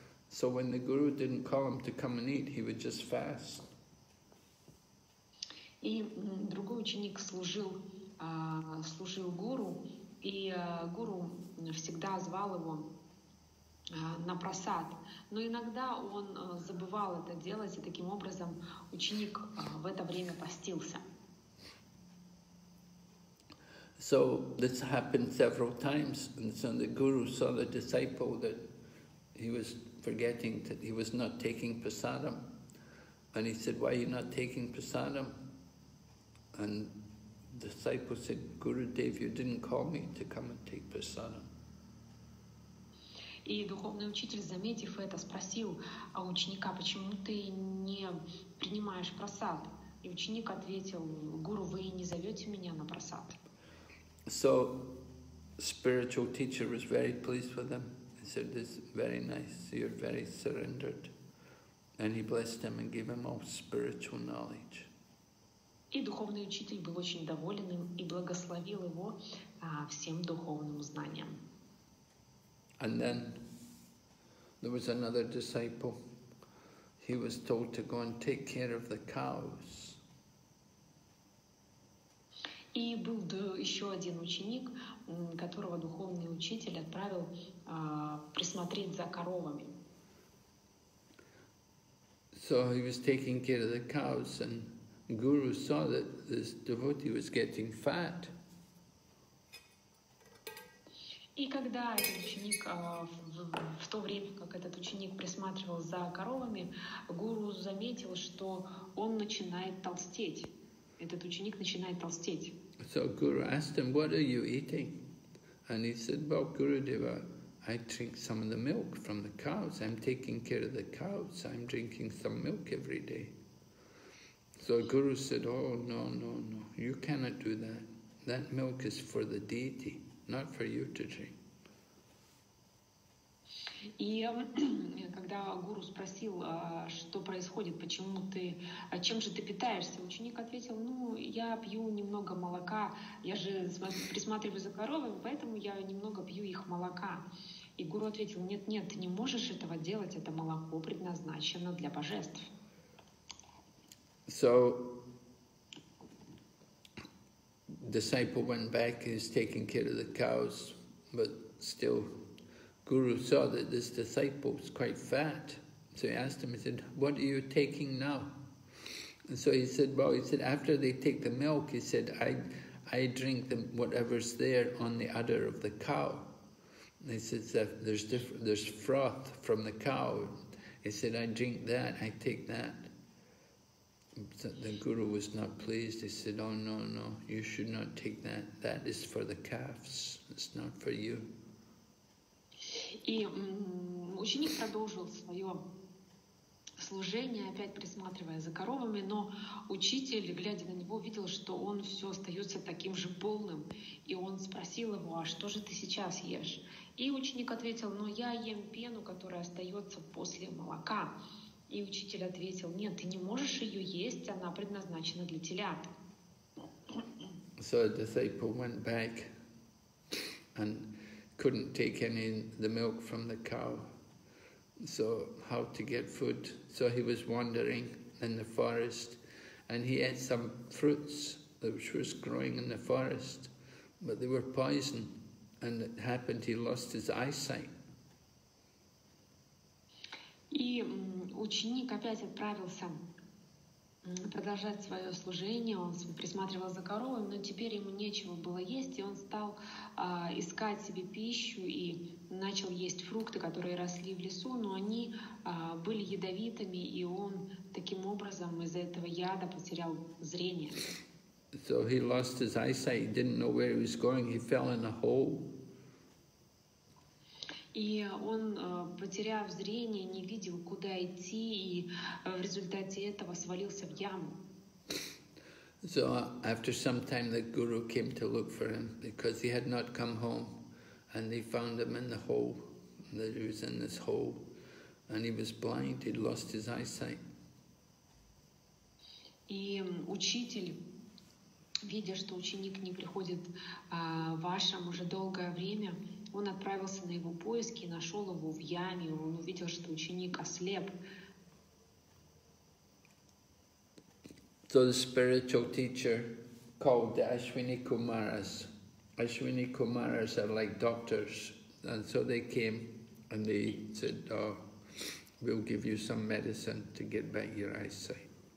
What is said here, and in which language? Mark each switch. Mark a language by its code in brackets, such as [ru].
[en] So when the guru didn't call him to come and eat, he would just fast. [ru] И другой ученик служил гуру, и гуру всегда звал его на прасад. Но иногда он забывал это делать, и таким образом ученик в это время постился. [en] So this happened several times, and so the guru saw the disciple that he was forgetting, that he was not taking prasadam, and he said, why are you not taking prasadam? And the disciple said, Gurudev, you didn't call me to come and take prasadam. [ru] И духовный учитель, заметив это, спросил ученика, почему ты не принимаешь прасад? И ученик ответил, гуру, вы не зовете меня на прасад. [en] So spiritual teacher was very pleased with him. He said, this is very nice, you're very surrendered. And he blessed him and gave him all spiritual knowledge. [ru] И духовный учитель был очень доволен им и благословил его всем духовным знаниям. [en] And then there was another disciple. He was told to go and take care of the cows. [ru] И был еще один ученик, которого духовный учитель отправил присмотреть за коровами. [en] So he was taking care of the cows, and Guru saw that this devotee was getting fat. [ru] И когда этот ученик, в то время, как этот ученик присматривал за коровами, Гуру заметил, что он начинает толстеть. Этот ученик начинает толстеть. [en] So Guru asked him, what are you eating? And he said, well, Gurudeva, I drink some of the milk from the cows. I'm taking care of the cows. I'm drinking some milk every day. So Guru said, oh, no, you cannot do that. That milk is for the deity, not for you to drink. [ru] И когда гуру спросил, что происходит, почему ты, чем же ты питаешься, ученик ответил, ну, я пью немного молока, я же присматриваю за коровами, поэтому я немного пью их молока. И гуру ответил, нет, ты не можешь этого делать, это молоко предназначено для божеств. [en] So, disciple went back, he's taking care of the cows, but still Guru saw that this disciple was quite fat, So he asked him, he said, what are you taking now? And so he said, well, he said, after they take the milk, he said, I drink the, whatever's there on the udder of the cow. And he said, there's froth from the cow. He said, I drink that, I take that. So the guru was not pleased. He said, oh, no, no, you should not take that. That is for the calves. It's not for you. [ru] И ученик продолжил свое служение, опять присматривая за коровами, но учитель, глядя на него, видел, что он все остается таким же полным. И он спросил его, а что же ты сейчас ешь? И ученик ответил, ну, я ем пену, которая остается после молока. И учитель ответил, нет, ты не можешь ее есть, она предназначена для телят. [en] So the disciple went back and couldn't take any the milk from the cow. So how to get food? So he was wandering in the forest and he ate some fruits which was growing in the forest, but they were poison, and it happened he lost his eyesight. [ru] И ученик опять отправился продолжать свое служение, он присматривал за коровой, но теперь ему нечего было есть, и он стал искать себе пищу и начал есть фрукты, которые росли в лесу, но они были ядовитыми, и он таким образом из-за этого яда потерял зрение. [en] So he lost his eyesight, he didn't know where he was going, he fell in a hole. [ru] И он, потеряв зрение, не видел, куда идти, и в результате этого свалился в яму. [en] So after some time the guru came to look for him, because he had not come home, and they found him in the hole, that he was in this hole, and he was blind, he'd lost his eyesight. [ru] И учитель, видя, что ученик не приходит в ашрам уже долгое время, он отправился на его поиски и нашел его в яме. Он увидел, что ученик ослеп. [en] So the spiritual teacher called the Ashwini Kumaras. Ashwini Kumaras are like doctors. And so they came and they said, oh, we'll give you some medicine to get back your eyesight.